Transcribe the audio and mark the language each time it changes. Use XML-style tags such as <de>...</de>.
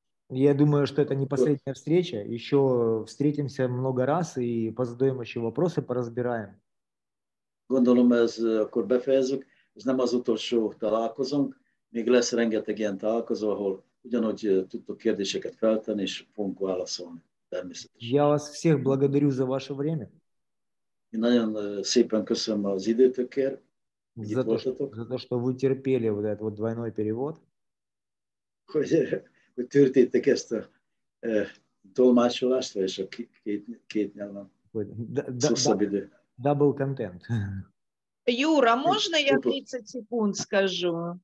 <ru>Я думаю, что это не последняя встреча. Еще встретимся много раз и позадаем еще вопросы, поразбираем.</ru> <hu>Gondolom, ez akkor befejezzük. Ez nem az utolsó találkozónk. Még lesz rengeteg ilyen találkozó, ahol ugyanúgy tudtok kérdéseket feltenni, és fogunk válaszolni természetesen.</hu> <ru>Я вас всех благодарю за ваше время.</ru> <hu>Én nagyon szépen köszönöm az időtökért, hogy itt voltatok.</hu> <ru>За то, что вы терпели вот этот вот двойной перевод.</ru> <hu>Hogy törtétek ezt a tolmácsolást, és a két nyelven szószabb idő.</hu> <en>Дабл контент.</en> <ru>Юра, можно я 30 секунд скажу?</ru>